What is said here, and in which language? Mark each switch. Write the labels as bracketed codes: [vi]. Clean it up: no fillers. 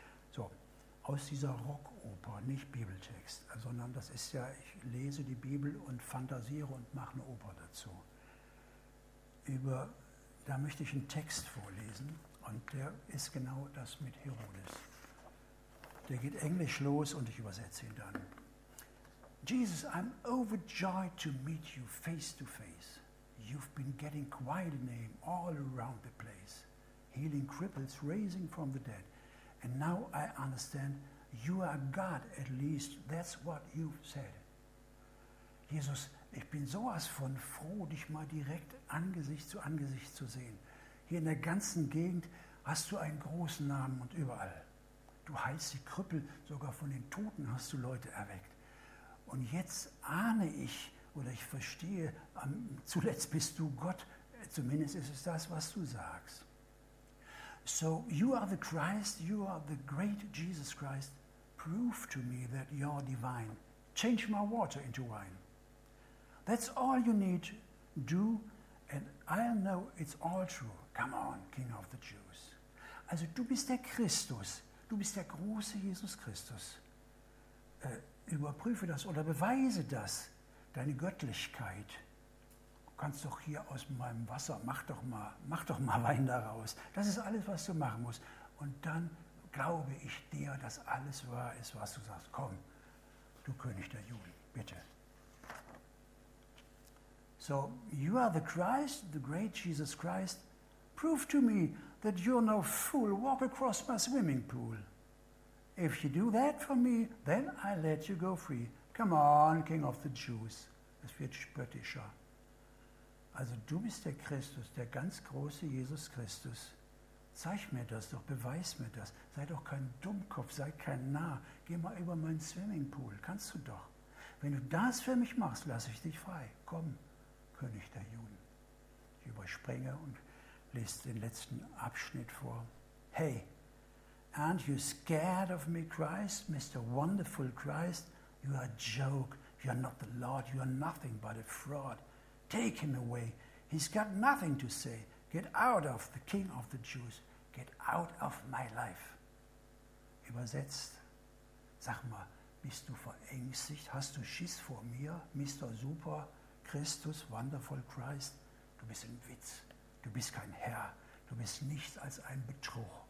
[de] So, aus dieser Rockoper, nicht Bibeltext, sondern das ist ja, ich lese die Bibel und fantasiere und mache eine Oper dazu. Da möchte ich einen Text vorlesen und der ist genau das mit Herodes. Der geht englisch los und ich übersetze ihn dann. [en] Jesus, I'm overjoyed to meet you face to face. you've been getting quite a name all around the place, healing cripples, raising from the dead. And now I understand you are God, at least that's what you've said. [de] Jesus, ich bin sowas von froh, dich mal direkt Angesicht zu sehen. Hier in der ganzen Gegend hast du einen großen Namen und überall. Du heilst die Krüppel, sogar von den Toten hast du Leute erweckt. Und jetzt ahne ich oder ich verstehe, zuletzt bist du Gott, zumindest ist es das, was du sagst. [en] So you are the Christ, you are the great Jesus Christ. Prove to me that you're divine. Change my water into wine. That's all you need to do and I'll know it's all true. Come on, King of the Jews. [de] Also du bist der Christus. Du bist der große Jesus Christus. Überprüfe das oder beweise das, deine Göttlichkeit. Du kannst doch hier aus meinem Wasser, mach doch mal Wein daraus. Das ist alles, was du machen musst. Und dann glaube ich dir, dass alles wahr ist, was du sagst. Komm, du König der Juden, bitte. [en] So, you are the Christ, the great Jesus Christ. Prove to me that you're no fool. Walk across my swimming pool. If you do that for me, then I let you go free. Come on, King of the Jews. [de] Es wird spöttischer. Also du bist der Christus, der ganz große Jesus Christus. Zeig mir das doch, beweis mir das. Sei doch kein Dummkopf, sei kein Narr. Geh mal über meinen Swimmingpool, kannst du doch. Wenn du das für mich machst, lasse ich dich frei. Komm, König der Juden. Ich überspringe und lese den letzten Abschnitt vor. [en] Hey, aren't you scared of me, Christ, Mr. Wonderful Christ? You are a joke. You are not the Lord. You are nothing but a fraud. Take him away. He's got nothing to say. Get out of the King of the Jews. Get out of my life. [de] Übersetzt, sag mal, bist du verängstigt? Hast du Schiss vor mir, Mr. Super Christus, Wonderful Christ? Du bist ein Witz. Du bist kein Herr. Du bist nichts als ein Betrug.